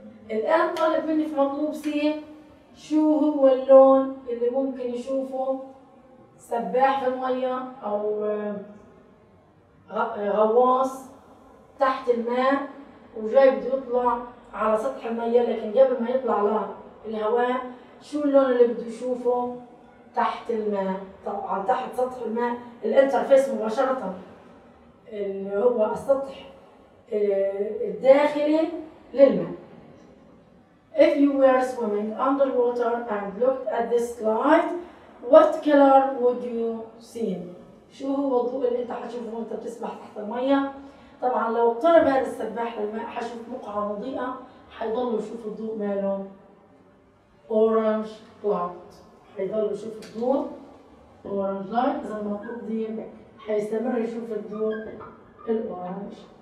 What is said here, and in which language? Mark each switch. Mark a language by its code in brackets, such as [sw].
[ar] الآن طالب مني في مطلوب سي شو هو اللون اللي ممكن يشوفه سباح في المية أو غواص تحت الماء وجاي بده يطلع على سطح المية، لكن قبل ما يطلع على الهواء شو اللون اللي بده يشوفه تحت الماء، طبعاً تحت سطح الماء الانترفيس مباشرة اللي هو السطح الداخلي للماء. [en] If you were swimming underwater and looked at this light, what color would you see? [ar] شو هو الضوء اللي انت حتشوفه وانت بتسبح تحت المية؟ طبعا لو اقترب هذا السباح للماء حشوف مقعة مضيئة، حيضل يشوف الضوء ماله [en] orange light، [ar] حيضل يشوف الضوء orange light. اذا المطلوب دي حيستمر يشوف الضوء الاورنج.